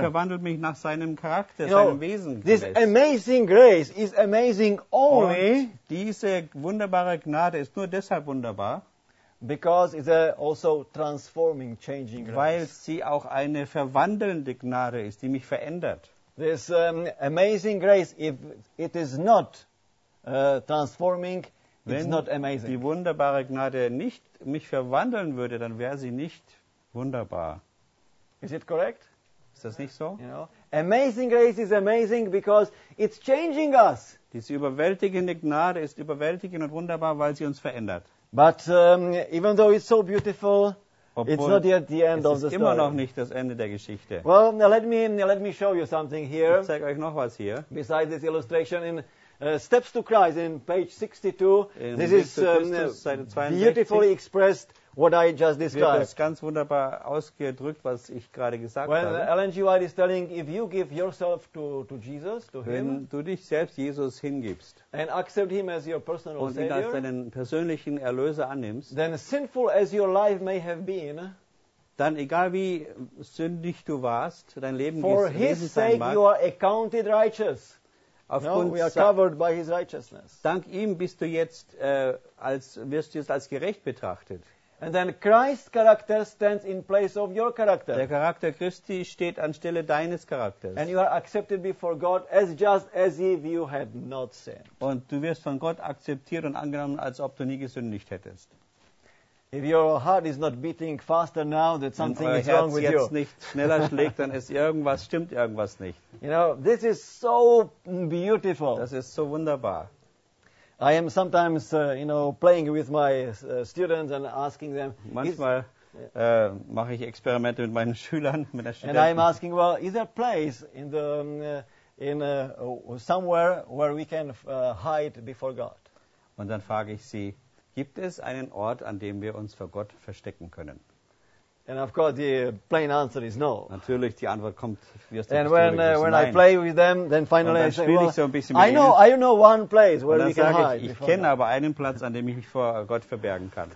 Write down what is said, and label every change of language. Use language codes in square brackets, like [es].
[de] Verwandelt mich nach seinem Charakter, you seinem Wesen. [en] This amazing grace is amazing only. [de] Und diese wunderbare Gnade ist nur deshalb wunderbar, [en] because it's a also transforming, changing grace. [de] Weil sie auch eine verwandelnde Gnade ist, die mich verändert. [en] This amazing grace, if it is not transforming. [de] Wenn [en] it's not amazing. [de] Die wunderbare Gnade nicht mich verwandeln würde, dann wäre sie nicht wunderbar. [en] Is it correct? [de] Ist das nicht so? [en] You know? Amazing grace is amazing because it's changing us. [de] Diese überwältigende Gnade ist überwältigend und wunderbar, weil sie uns verändert. [en] But even though it's so beautiful, [de] obwohl [en] it's not yet the end of the story. [de] Es ist immer noch nicht das Ende der Geschichte. [en] Well, let me show you something here. [de] Ich zeige euch noch was hier. [en] Besides this illustration in Steps to Christ in page 62. In this is beautifully expressed what I just described. [de] Wird das ganz wunderbar ausgedrückt, was ich gerade gesagt [en] when [de] habe. [en] Ellen G. White is telling, if you give yourself to Jesus, to [de] wenn [en] him, [de] du dich selbst Jesus hingibst [en] and accept him as your personal [de] und [en] savior, [de] ihn als deinen persönlichen Erlöser annimmst, [en] then sinful as your life may have been, [de] dann egal wie sündig du warst, dein Leben [en] for his sake you are accounted righteous. [de] Aufgrund [en] we are covered by his righteousness. [de] Dank ihm bist du jetzt wirst du jetzt als gerecht betrachtet. [en] And then Christ's character stands in place of your character. [de] Der Charakter Christi steht anstelle deines Charakters. [en] And you are accepted before God as just as if you had not sinned. [de] Und du wirst von Gott akzeptiert und angenommen, als ob du nie gesündigt hättest. [en] If your heart is not beating faster now, that something is wrong with you. [de] Wenn euer Herz jetzt nicht schneller schlägt, dann ist irgendwas, stimmt irgendwas nicht. [en] You know, this is so beautiful. [de] Das ist so wunderbar. [en] I am sometimes, playing with my students and asking them. [de] Manchmal mache ich Experimente mit meinen Schülern, mit der Studenten. [en] And I am asking, well, is there a place in the somewhere where we can hide before God? [de] Und dann frage ich sie. Gibt es einen Ort, an dem wir uns vor Gott verstecken können? [en] And of course, the plain answer is no. [de] Natürlich, die Antwort kommt. [en] And when I play with them, then finally I say, well, [de] so ein bisschen [en] I know, [de] ihnen. [en] I know one place where we can [de] ich, [en] hide. [de] Ich kenne aber einen Platz, an dem ich mich vor Gott verbergen kann.